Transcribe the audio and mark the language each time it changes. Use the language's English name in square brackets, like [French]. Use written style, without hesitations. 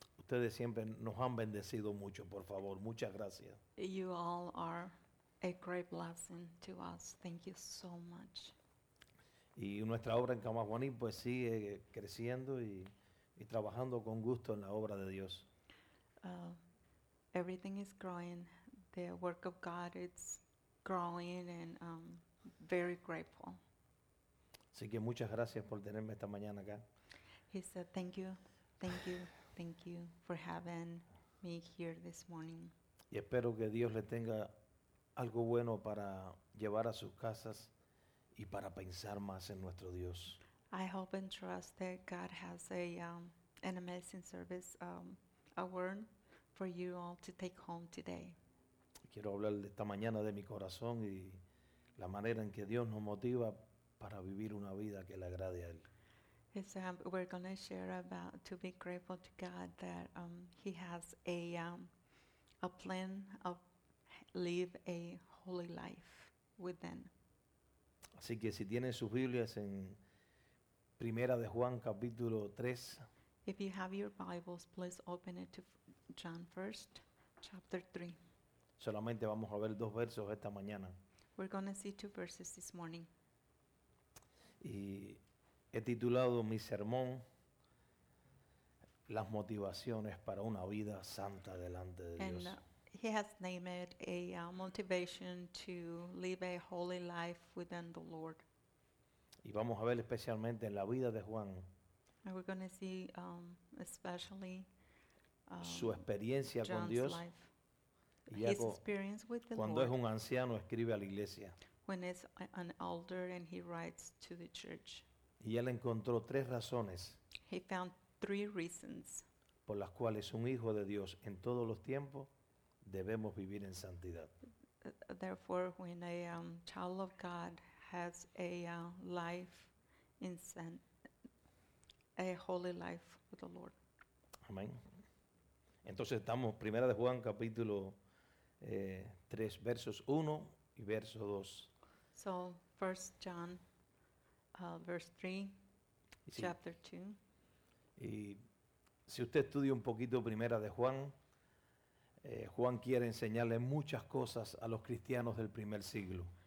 [Spanish] Ustedes siempre nos han bendecido mucho, por favor. Muchas gracias. [English] You all are a great blessing to us. Thank you so much. [Spanish] Y nuestra obra en Camaguaní pues sigue creciendo y trabajando con gusto en la obra de Dios. [English] Everything is growing. The work of God is growing and very grateful. [Spanish] Así que muchas gracias por tenerme esta mañana acá. [English] He said, thank you. Thank you for having me here this morning. [Spanish] Y espero que Dios le tenga algo bueno para llevar a sus casas y para pensar más en nuestro Dios. [English] I hope and trust that God has an amazing service, a word for you all to take home today. [Spanish] Quiero hablar esta mañana de mi corazón y la manera en que Dios nos motiva para vivir una vida que le agrade a Él. [English] It's, we're going to share about to be grateful to God that He has a plan of live a holy life within. [Spanish] Así que si tienen sus Biblias en Primera de Juan capítulo 3. [English] If you have your Bibles, please open it to John 1st, chapter 3. [Spanish] Solamente vamos a ver dos versos esta mañana. [English] We're going to see two verses this morning. [Spanish] Y he titulado mi sermón, Las motivaciones para una vida santa delante de Dios. [English] And he has named it a motivation to live a holy life within the Lord. [Spanish] Y vamos a ver especialmente en la vida de Juan. [English] And we're going to see especially [Spanish] su experiencia [English] John's [Spanish] con Dios. [English] Life. His experience with the [Spanish] cuando [English] Lord. [Spanish] Es un anciano, escribe a la iglesia. [English] When he's an elder and he writes to the church. [Spanish] Y él encontró tres razones [English] he found three reasons [Spanish] por las cuales un hijo de Dios en todos los tiempos debemos vivir en santidad. [English] Therefore, when a child of God has a life in sin, a holy life with the Lord. [Spanish] Amén. Entonces estamos en Primera de Juan capítulo 3, versos 1 y verso 2. [English] So, 1 John verse 3, [Spanish] sí. [English] Chapter 2. [Spanish] Y si usted estudia un poquito Primera de Juan, Juan quiere enseñarle muchas cosas a los cristianos del primer siglo.